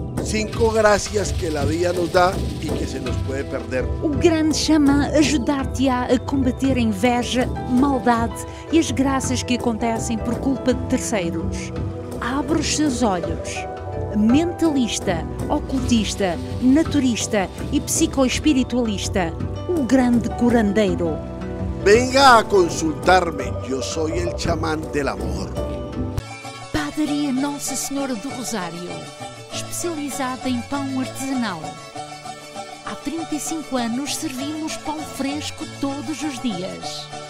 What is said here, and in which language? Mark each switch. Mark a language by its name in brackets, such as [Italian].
[Spanish] Cinco gracias que la vida nos da y que se nos puede perder. [Portuguese] O grande xamã ajudar-te a combater a inveja, maldade e as graças que acontecem por culpa de terceiros. Abre os seus olhos. Mentalista, ocultista, naturista e psicoespiritualista. O grande curandeiro. [Spanish] Venga a consultarme, yo soy el chamán del amor. [Portuguese] Padaria Nossa Senhora do Rosário, especializada em pão artesanal. Há 35 anos servimos pão fresco todos os dias.